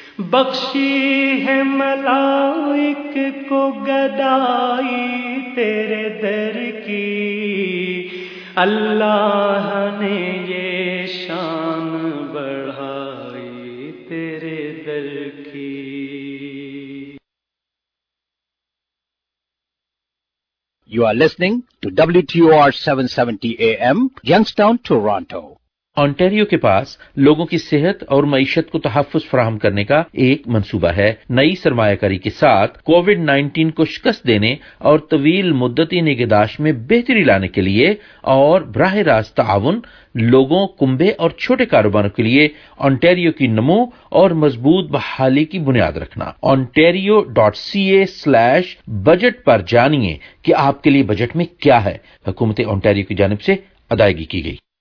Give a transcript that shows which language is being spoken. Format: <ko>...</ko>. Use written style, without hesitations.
<ur>بخشی ہے ملائک کو گدائی تیرے در کی، اللہ نے یہ شان بڑھائی تیرے در کی،</ur> <en>You are listening to WTOR 770 AM, Youngstown, Toronto.</en> <ur>Ontario کے پاس لوگوں کی صحت اور معیشت کو تحفظ فراہم کرنے کا ایک منصوبہ ہے، نئی سرمایہ کاری کے ساتھ کووڈ 19 کو شکست دینے اور طویل مدتی نگہداشت میں بہتری لانے کے لیے اور براہ راست تعاون لوگوں، کنبے اور چھوٹے کاروباروں کے لیے آنٹیریو کی نمو اور مضبوط بحالی کی بنیاد رکھنا، ontario.ca/budget پر جانیے کہ آپ کے لیے بجٹ میں کیا ہے، حکومت آنٹیریو کی جانب سے ادائیگی کی گئی۔</ur>